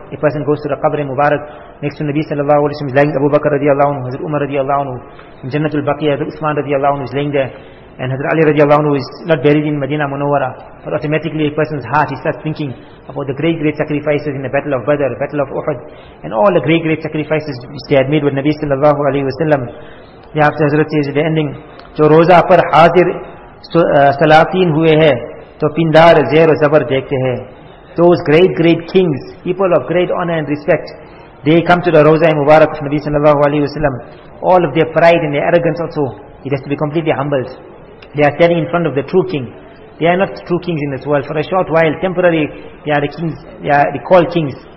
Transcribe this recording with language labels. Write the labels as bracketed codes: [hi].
[en] A person goes to the Qabr Mubarak next to Nabi sallallahu alayhi wa sallam, is lying Abu Bakr radiallahu anhum, Hazrat Umar radiallahu anhum, in Jannatul Baqiyah, Hazrat Uthman radiallahu anhum is laying there, And Hazrat Ali radiallahu anhu is not buried in Medina Munawwara, but automatically a person's heart, he starts thinking about the great, great sacrifices in the Battle of Badr, Battle of Uhud, and all the great, great sacrifices which they had made with Nabi sallallahu alayhi wa sallam. Thereafter Hazrat says at the ending, [ur] جو روزہ پر حاضر سلاطین ہوئے ہیں تو پندار زیر و زبر دیکھتے ہیں. [en] Those great, great kings, people of great honor and respect, they come to the Rauza Mubarak of Nabi sallallahu alayhi wa sallam. All of their pride and their arrogance also, it has to be completely humbled. They are standing in front of the true king. They are not true kings in this world. For a short while, temporary, they are the kings, they are the called kings.